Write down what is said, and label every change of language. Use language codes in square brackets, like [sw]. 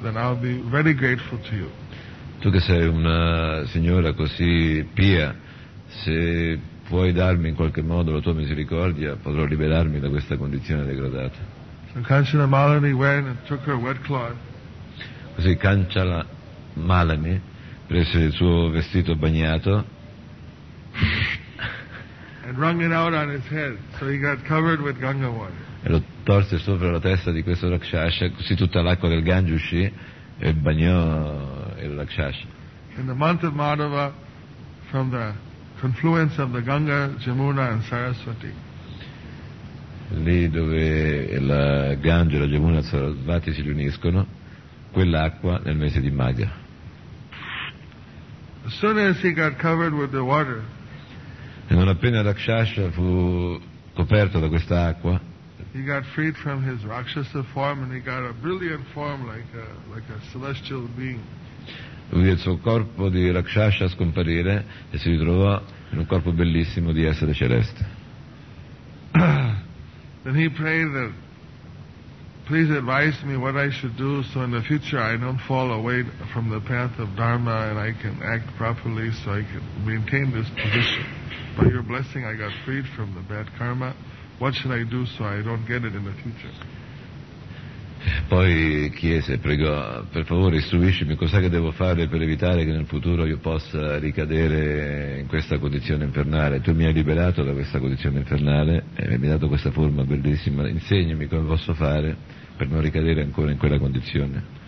[en] Then I'll be very grateful to you. [it] Tu che sei una signora così pia, se puoi darmi in qualche modo la tua misericordia, potrò liberarmi da questa condizione degradata. [en] So Kanchana Malini went and took her wet cloth. [it] Così Kanchana Malini prese il suo vestito bagnato [en] and wrung it out on his head, so he got covered with Ganga water. [it] E lo torse sopra la testa di questo rakshasa, così tutta l'acqua del Gange uscì e bagnò il rakshasa. [en] In the month of Madhava, from the confluence of the Ganga, Jamuna and Saraswati. [it] Lì dove la Ganga, la Jamuna e la Saraswati si riuniscono, quell'acqua nel mese di Magha. [en] As soon as he got covered with the water, [it] e non appena Rakshasa fu coperto da questa acqua, [en] he got freed from his Rakshasa form and he got a brilliant form like a celestial being. [it] Lui, il suo corpo di rakshasa a scomparire e si ritrovò in un corpo bellissimo di essere celeste. [en] Then he prayed that, please advise me what I should do so in the future I don't fall away from the path of dharma and I can act properly so I can maintain this position. By your blessing I got freed from the bad karma. What should I do so I don't get it in the future? [it] Poi chiese, pregò, per favore istruiscimi, cos'è che devo fare per evitare che nel futuro io possa ricadere in questa condizione infernale? Tu mi hai liberato da questa condizione infernale e mi hai dato questa forma bellissima, insegnami come posso fare per non ricadere ancora in quella condizione.